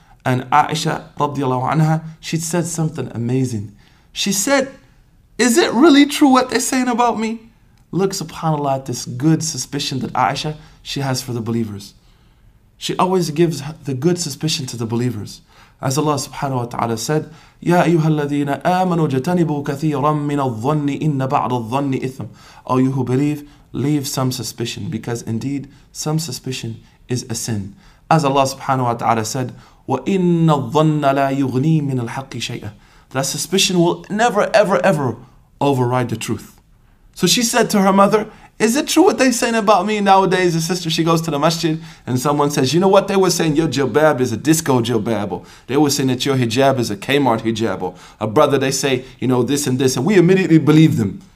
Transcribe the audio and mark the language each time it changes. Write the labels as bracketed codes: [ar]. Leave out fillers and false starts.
[en] And Aisha radiallahu anha, she said something amazing. She said, is it really true what they're saying about me? Look, subhanAllah, at this good suspicion that Aisha, she has for the believers. She always gives the good suspicion to the believers. As Allah subhanahu wa ta'ala said, [ar] يَا أَيُّهَا الَّذِينَ آمَنُوا جَتَنِبُوا كَثِيرًا مِّنَ الظَّنِّ إِنَّ بَعْضَ الظَّنِّ إِثْمٍ. [en] All you who believe, leave some suspicion, because indeed, some suspicion is a sin. As Allah subhanahu wa ta'ala said, [ar] وَإِنَّ الظَّنَّ لَا يُغْنِي مِنَ الْحَقِّ شَيْئًا. [en] That suspicion will never, ever, ever override the truth. So she said to her mother, is it true what they're saying about me nowadays? The sister, she goes to the masjid and someone says, you know what they were saying? Your jilbab is a disco jilbab. They were saying that your hijab is a Kmart hijab. A brother, they say, you know, this and this. And we immediately believe them.